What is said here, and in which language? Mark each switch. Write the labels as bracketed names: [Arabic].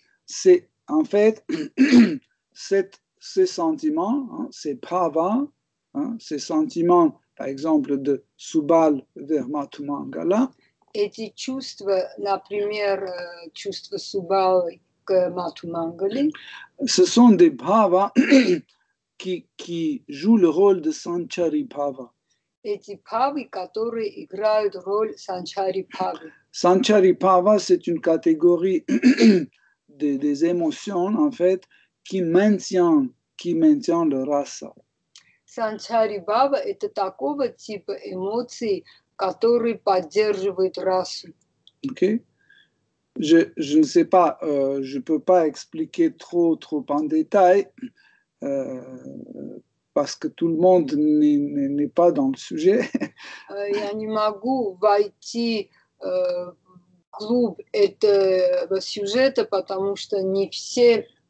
[French] C'est en fait ces sentiments, ces bhava, ces sentiments, par exemple de Subal vers Mathu Mangala. [Russian] Эти чувства, например, чувства Субалы к Мату Мангали. [French] Ce sont des bhava qui jouent le rôle de Sanchari bhava. [Russian] Эти bhava, которые играют роль Sanchari bhava. [French] Sanchari bhava, c'est une catégorie des émotions, en fait, qui maintient le rasa. [Russian] Sanchari bhava, это такого типа эмоций, который поддерживает расу. Ok. [French] Je ne sais pas, je ne peux pas expliquer trop en détail, parce que tout le monde n'est pas dans le sujet. [Russian] Я не могу войти глубь этого сюжета, потому что не все